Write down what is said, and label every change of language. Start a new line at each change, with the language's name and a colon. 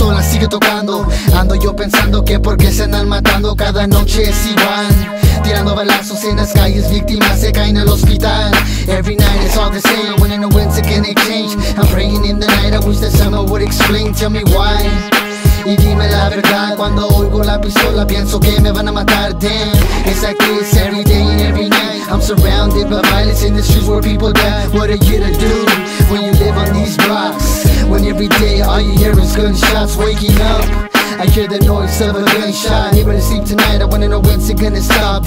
Spanish: Sigue tocando, ando yo pensando que por qué se andan matando. Cada noche es igual, tirando balazos en las calles, víctimas se caen al hospital.
English: Every night it's all the same, when and when se can exchange. I'm praying in the night, I wish that someone would explain, tell me why.
Spanish: Y dime la verdad, cuando oigo la pistola pienso que me van a matar.
English: Damn, it's like this every day and every night. I'm surrounded by violence in the streets where people die. What are you to do when you live on these blocks? When every day all you hear is gunshots. Waking up, I hear the noise of a gunshot. Ain't gonna sleep tonight, I wanna know when's it gonna stop.